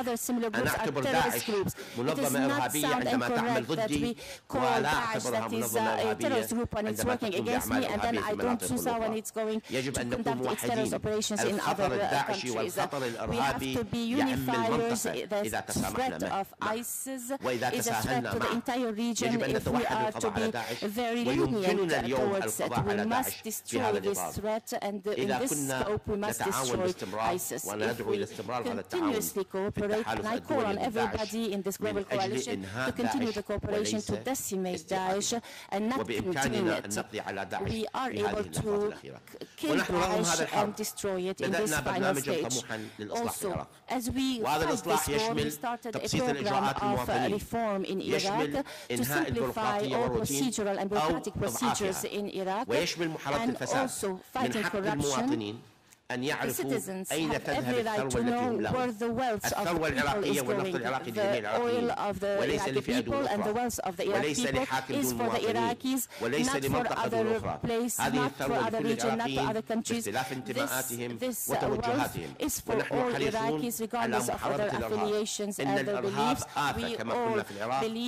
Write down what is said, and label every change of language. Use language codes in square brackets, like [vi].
[ar] أنا أعتبر داعش منظمة إرهابية عندما تعمل ضدي ولا أعتبرها منظمة إرهابية عندما تقوم بأعمال إرهابية في المناطق الأخرى. يجب أن نكون موحدين. الخطر الداعشي والخطر الإرهابي يأم المنطقة إذا تسامحنا منه وإذا تساهلنا معه. يجب أن نتوحد القضاء على داعش ويمكننا اليوم القضاء على داعش في هذا الإطار. [en] Threat and in this scope we must destroy ISIS. If we continuously cooperate, and I call on everybody in this global coalition to continue the cooperation to decimate Daesh and not continue it. We are able to kill Daesh and destroy it in this final stage. Also, as we fight this war, we started a program of reform in Iraq to simplify all procedural and bureaucratic procedures in Iraq, and also fighting corruption. [ar] أن يعرفوا أين تذهب الثروة التي تملأ الثروة العراقية والنفط العراقي لجميع العراقيين وليس لفئة دول أخرى وليس لحاكم دول المواطنين وليس لمنطقة دول أخرى هذه الثروة لكل العراقيين باختلاف انتماءاتهم وتوجهاتهم ونحن حريصون على محاربة الإرهاب إن الإرهاب آفة كما قلنا في العراق